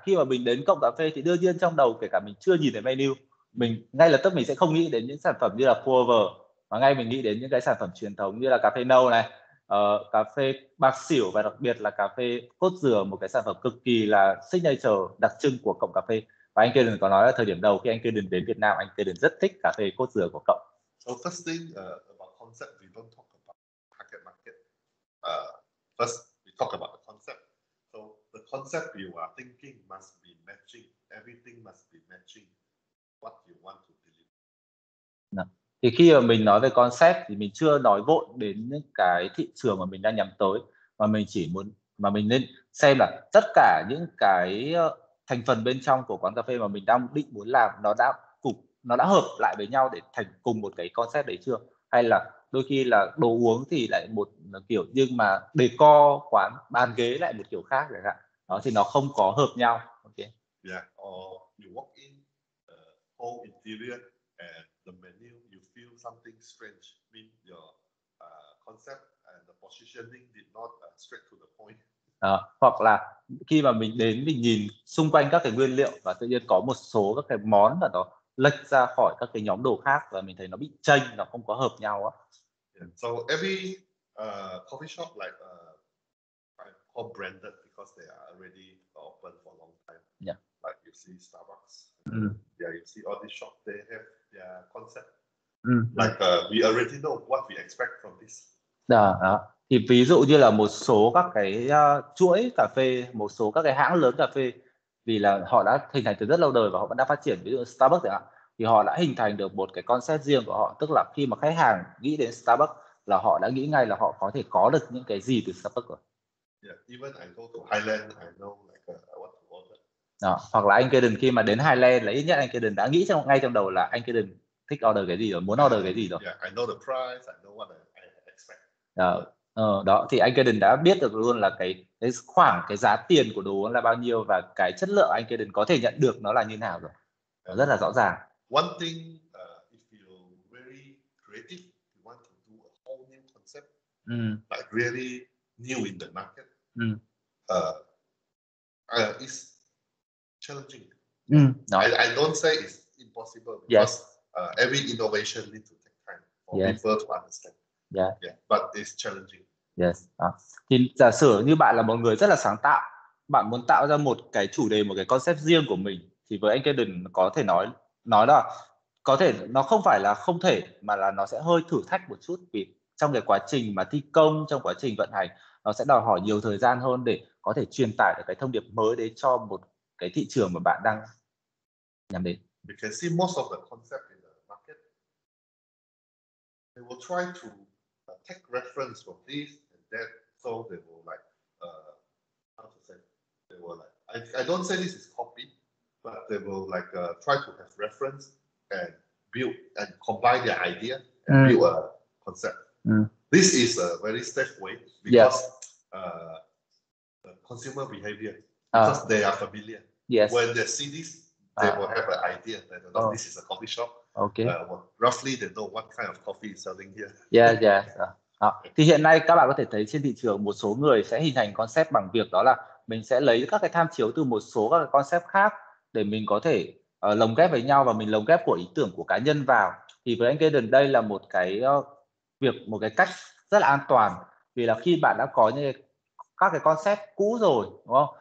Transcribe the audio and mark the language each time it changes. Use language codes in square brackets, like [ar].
[vi] Khi mà mình đến cộng cà phê thì đương nhiên trong đầu, kể cả mình chưa nhìn thấy menu, mình ngay lập tức mình sẽ không nghĩ đến những sản phẩm như là pour over, mà ngay mình nghĩ đến những cái sản phẩm truyền thống như là cà phê nâu này, cà phê bạc xỉu, và đặc biệt là cà phê cốt dừa, một cái sản phẩm cực kỳ là signature, đặc trưng của cộng cà phê. Và anh Kaden có nói là thời điểm đầu khi anh Kaden đến Việt Nam, anh Kaden rất thích cà phê cốt dừa của cậu. [en] So first thing about concept, we don't talk about target market. First, we talk about the concept. So the concept you are thinking must be matching. Everything must be matching what you want to deliver. No. [vi] Thì khi mà mình nói về concept thì mình chưa nói vội đến những cái thị trường mà mình đang nhắm tới, mà mình chỉ muốn, mà mình nên xem là tất cả những cái thành phần bên trong của quán cà phê mà mình đang định muốn làm, nó đã hợp lại với nhau để thành cùng một cái concept đấy chưa, hay là đôi khi là đồ uống thì lại một kiểu, nhưng mà decor quán, bàn ghế lại một kiểu khác chẳng hạn, đó thì nó không có hợp nhau. Ok. [en] Yeah, or you walk in whole interior and the menu you feel something strange, mean your concept and the positioning did not straight to the point. [vi] Hoặc là khi mà mình đến mình nhìn xung quanh các cái nguyên liệu và tự nhiên có một số các cái món mà nó lệch ra khỏi các cái nhóm đồ khác và mình thấy nó bị chênh, nó không có hợp nhau á. Yeah. [en] So every coffee shop like all branded because they are already open for a long time. Yeah. Like you see Starbucks. Mm. Yeah, you see all these shops, they have their concept. Mm. Like we already know what we expect from this. [vi] Thì ví dụ như là một số các cái chuỗi cà phê, một số các cái hãng lớn cà phê, vì là họ đã hình thành từ rất lâu đời và họ vẫn đang phát triển, ví dụ Starbucks chẳng hạn, thì họ đã hình thành được một cái concept riêng của họ, tức là khi mà khách hàng nghĩ đến Starbucks là họ đã nghĩ ngay là họ có thể có được những cái gì từ Starbucks rồi. [en] Yeah, even I go to Highland, I know like what to order. [vi] À, hoặc là anh Kaden khi mà đến Highland là ít nhất anh Kaden đã nghĩ trong ngay trong đầu là anh Kaden thích order cái gì rồi, muốn order cái gì rồi. [en] Yeah, I know the price, I know what I expect. [vi] Đó thì anh Kaden đã biết được luôn là cái khoảng cái giá tiền của đồ uống là bao nhiêu và cái chất lượng anh Kaden có thể nhận được nó là như nào rồi. Nó rất là rõ ràng. [en] One thing if you very creative, you want to do a whole new concept. Mm. Like really new in the market. Mm. It's challenging. Mm. No. I don't say it's impossible because yes. Every innovation need to take time for yes. people to understand. Yeah. Yeah, but it's challenging. Yes. [vi] Thì giả sử như bạn là một người rất là sáng tạo, bạn muốn tạo ra một cái chủ đề, một cái concept riêng của mình, thì với anh Kaden có thể nói là có thể, nó không phải là không thể, mà là nó sẽ hơi thử thách một chút, vì trong cái quá trình mà thi công, trong quá trình vận hành, nó sẽ đòi hỏi nhiều thời gian hơn để có thể truyền tải được cái thông điệp mới đấy cho một cái thị trường mà bạn đang nhắm đến. [en] We can see most of the concept in the market. They will try to take reference from this and that, so they will like how to say, they will like, I don't say this is copy, but they will like try to have reference and build and combine their idea and build a concept. This is a very safe way because yes. The consumer behavior, because they are familiar. Yes. When they see this, they will have an idea that this is a coffee shop. Okay. Well, roughly they know what kind of coffee is selling here. Yeah, yeah. [vi] Thì hiện nay các bạn có thể thấy trên thị trường một số người sẽ hình thành concept bằng việc đó là mình sẽ lấy các cái tham chiếu từ một số các cái concept khác để mình có thể lồng ghép với nhau và mình lồng ghép của ý tưởng của cá nhân vào. Thì với anh Kaden đây là một cái việc, một cái cách rất là an toàn, vì là khi bạn đã có những các cái concept cũ rồi, đúng không?